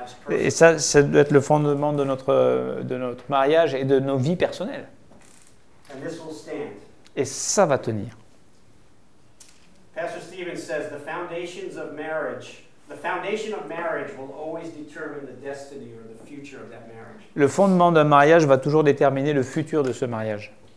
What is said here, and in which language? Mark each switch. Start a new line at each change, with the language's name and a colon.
French: Et ça, ça doit être le fondement de notre mariage et de nos vies personnelles.
English: And this will stand.
French: Et ça va tenir.
English: Pastor Stephen says the foundations of marriage, the foundation of marriage will always determine the destiny or the future of that marriage.
French: Le fondement d'un mariage va toujours déterminer le futur de ce mariage.